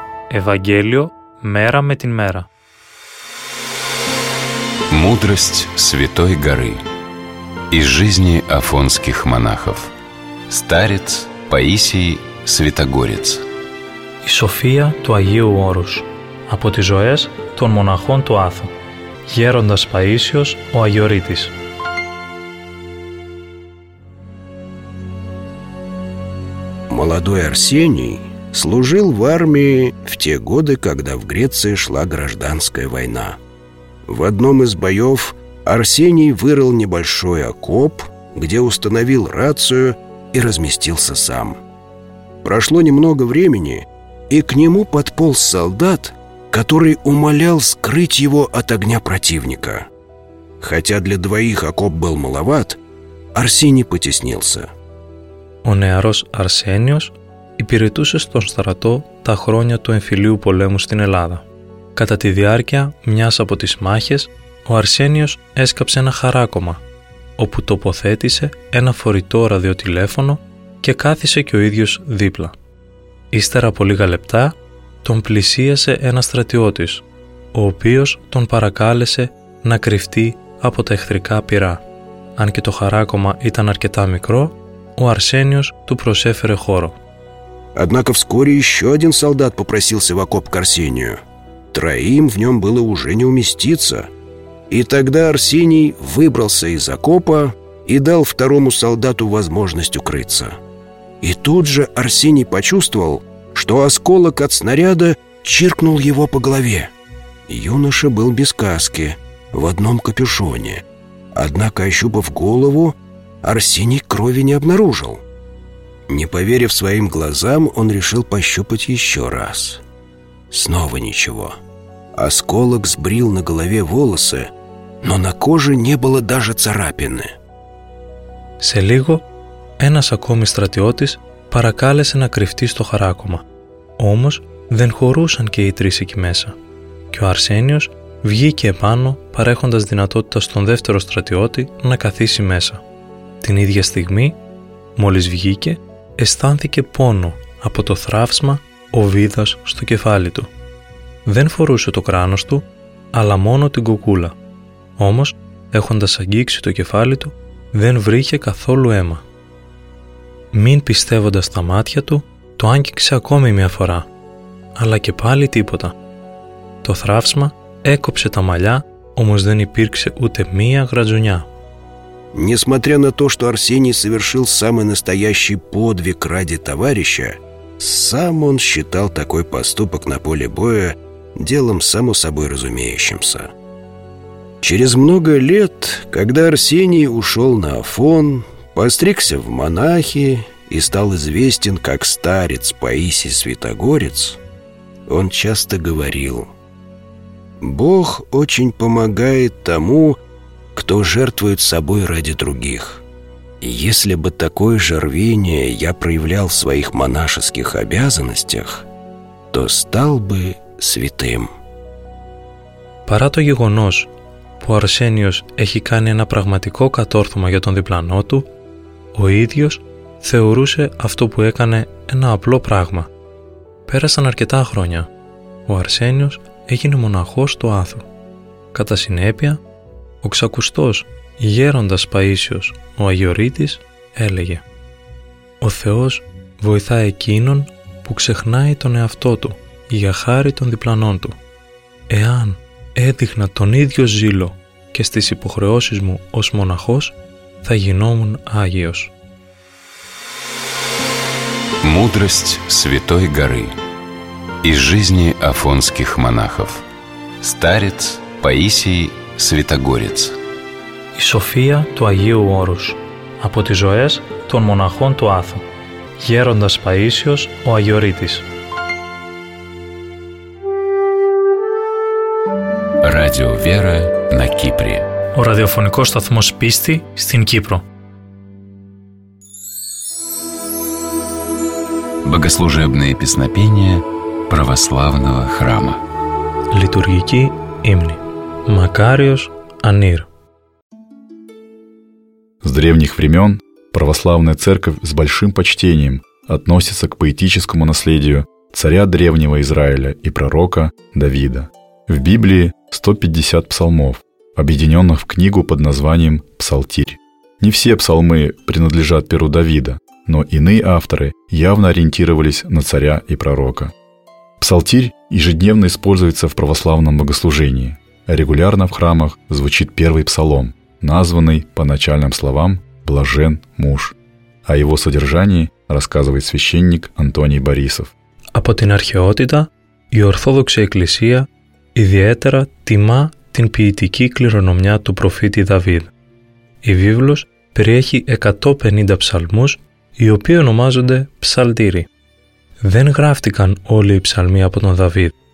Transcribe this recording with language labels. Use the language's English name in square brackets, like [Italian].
[Russian] Евангелие мера [Greek] με την [Russian] мера. Мудрость Святой Горы из жизни афонских монахов. Старец Паисий Святогорец. [Greek] И София του Αγίου Όρους από τις ζωές των μοναχών του Άθου. Γέροντας Παΐσιος ο Αγιορείτης. [Russian] Молодой Арсений служил в армии в те годы, когда в Греции шла гражданская война. В одном из боев Арсений вырыл небольшой окоп, где установил рацию и разместился сам. Прошло немного времени, и к нему подполз солдат, который умолял скрыть его от огня противника. Хотя для двоих окоп был маловат, Арсений потеснился. [Greek] Ο νεαρός Αρσένιος υπηρετούσε στον στρατό τα χρόνια του εμφυλίου πολέμου στην Ελλάδα. Κατά τη διάρκεια μιας από τις μάχες, ο Αρσένιος έσκαψε ένα χαράκωμα, όπου τοποθέτησε ένα φορητό ραδιοτηλέφωνο και κάθισε και ο ίδιος δίπλα. Ύστερα από λίγα λεπτά, τον πλησίασε ένα στρατιώτης, ο οποίος τον παρακάλεσε να κρυφτεί από τα εχθρικά πυρά. Αν και το χαράκωμα ήταν αρκετά μικρό, ο Αρσένιος του προσέφερε χώρο. [Russian] Однако вскоре еще один солдат попросился в окоп к Арсению. Троим в нем было уже не уместиться. И тогда Арсений выбрался из окопа и дал второму солдату возможность укрыться. И тут же Арсений почувствовал, что осколок от снаряда чиркнул его по голове. Юноша был без каски, в одном капюшоне. Однако, ощупав голову, Арсений крови не обнаружил. Не поверив своим глазам, он решил пощупать еще раз. Снова ничего. Осколок сбрил на голове волосы, но на коже не было даже царапины. [Greek] Σε λίγο, ένας ακόμη στρατιώτης παρακάλεσε να κρυφτεί στο χαράκωμα. Όμως δεν χωρούσαν και οι τρεις εκεί μέσα. Και ο Αρσένιος βγήκε επάνω, παρέχοντας δυνατότητα στον δεύτερο στρατιώτη να καθίσει μέσα. Την ίδια στιγμή, μόλις βγήκε, αισθάνθηκε πόνο από το θράψμα ο βίδας στο κεφάλι του. Δεν φορούσε το κράνος του, αλλά μόνο την κουκούλα. Όμως, έχοντας αγγίξει το κεφάλι του, δεν βρήκε καθόλου αίμα. Μην πιστεύοντας τα μάτια του, το άγγιξε ακόμη μια φορά. Αλλά και πάλι τίποτα. Το θράψμα έκοψε τα μαλλιά, όμως δεν υπήρξε ούτε μία γρατζουνιά. [Russian] Несмотря на то, что Арсений совершил самый настоящий подвиг ради товарища, сам он считал такой поступок на поле боя делом само собой разумеющимся. Через много лет, когда Арсений ушел на Афон, постригся в монахи и стал известен как старец Паисий Святогорец, он часто говорил: «Бог очень помогает тому, кто жертвует собой ради других. Если бы такое же рвение я проявлял в своих монашеских обязанностях, то стал бы святым». [Greek] Παρά το γεγονός που ο Αρσένιος έχει κάνει ένα πραγματικό κατόρθωμα για τον διπλανό του, ο ίδιος θεωρούσε αυτό που έκανε ένα απλό πράγμα. Πέρασαν αρκετά χρόνια. Ο Αρσένιος έγινε μοναχός του Άθου. Κατά συνέπεια, ο ξακουστός γέροντας Παΐσιος, ο Αγιορείτης, έλεγε: «Ο Θεός βοηθά εκείνον που ξεχνάει τον εαυτό του για χάρη των διπλανών του. Εάν έδειχνα τον ίδιο ζήλο και στις υποχρεώσεις μου ως μοναχός, θα γινόμουν Άγιος». [Russian] Μούδρεστ Святой Горы. Из жизни афонских монахов. Старец Паисий Святогорец. [Greek] Η σοφία του Αγίου Όρους. Από τις ζωές των μοναχών του Άθου. Γέροντας Παΐσιος, ο Αγιορείτης. [Russian] Radio Vera na Kypri. [Greek] Ο ραδιοφωνικός σταθμός πίστη στην Κύπρο. [Russian] Богослужебные песнопения православного храма. [Greek] Λειτουργική ύμνη. Макариус Анир. [Russian] С древних времен православная церковь с большим почтением относится к поэтическому наследию царя древнего Израиля и пророка Давида. В Библии 150 псалмов, объединенных в книгу под названием «Псалтирь». Не все псалмы принадлежат перу Давида, но иные авторы явно ориентировались на царя и пророка. Псалтирь ежедневно используется в православном богослужении. Регулярно в храмах звучит первый псалом, названный по начальным словам «Блажен муж». О его содержании рассказывает священник Антоний Борисов. [Greek] Από την αρχαιότητα, η Ορθόδοξη Εκκλησία ιδιαίτερα τιμά την ποιητική κληρονομιά του προφήτη Δαβίδ. Η βίβλος περιέχει 150 ψαλμούς, οι οποίοι ονομάζονται ψαλτήρι. Δεν γράφτηκαν όλοι οι ψαλμοί από τον Δαβίδ.